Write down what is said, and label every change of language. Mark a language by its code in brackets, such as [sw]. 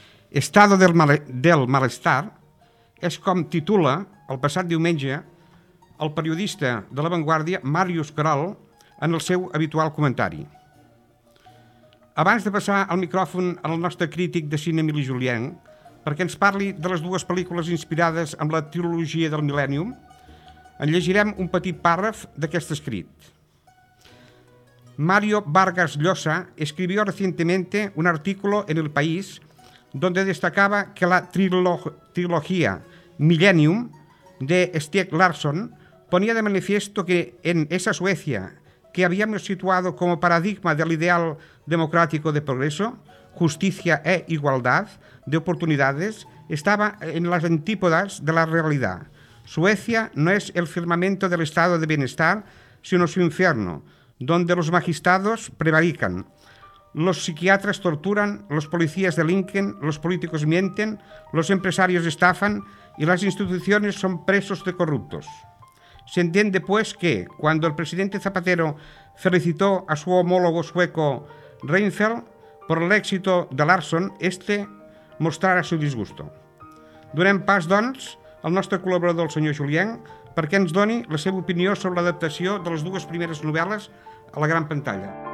[ca] Estado del malestar és com titula el passat diumenge el periodista de La Vanguardia, Màrius Carol, en el seu habitual comentari. Abans de passar el micròfon al nostre crític de cine, Emili Julien, perquè ens parli de les dues pel·lícules inspirades en la trilogia del Millennium, en llegirem un petit pàrraf d'aquest escrit. [es] Mario Vargas Llosa escribió recientemente un artículo en El País donde destacaba que la trilogía Millennium de Stieg Larsson ponía de manifiesto que en esa Suecia que habíamos situado como paradigma del ideal democrático de progreso, justicia e igualdad de oportunidades, estaba en las antípodas de la realidad. Suecia no es el firmamento del estado de bienestar, sino su infierno, donde los magistrados prevarican, los psiquiatras torturan, los policías delinquen, los políticos mienten, los empresarios estafan y las instituciones son presos de corruptos. Se entiende, pues, que cuando el presidente Zapatero felicitó a su homólogo sueco Reinfeldt por el éxito de Larsson, este mostrara su disgusto. [ca] Donem pas, doncs, al nostre col·laborador, el senyor Julien, perquè ens doni la seva opinió sobre l'adaptació de les dues primeres novel·les a la gran pantalla.